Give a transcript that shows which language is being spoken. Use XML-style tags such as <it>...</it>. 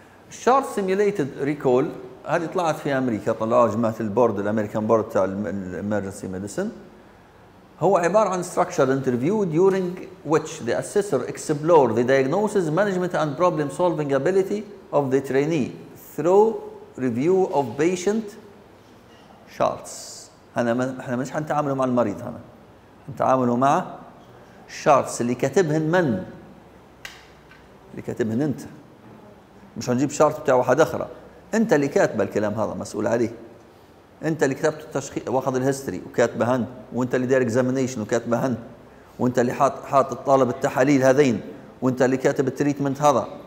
<ar>شارت سيميوليتد ريكول هذه طلعت في امريكا، طلعوها جماعة البورد الامريكان بورد تاع الامرجنسي ميديسن.</ar> <en>هو عبارة عن structure interview during which the assessor explore the diagnosis, management and problem solving ability of the trainee through review of patient charts.</en> <ar>احنا مش حنتعاملوا مع المريض هنا، نتعاملوا مع شارتس اللي كاتبهن من؟ اللي كاتبهن انت، مش هنجيب شارت بتاع واحد اخرى، انت اللي كاتب الكلام هذا مسؤول عليه، انت اللي كتبت التشخيص واخذ الهيستوري وكاتبهن، وانت اللي دار اكزامينيشن وكاتبهن، وانت اللي حاط طالب التحاليل هذين، وانت اللي كاتب التريتمنت هذا.</ar>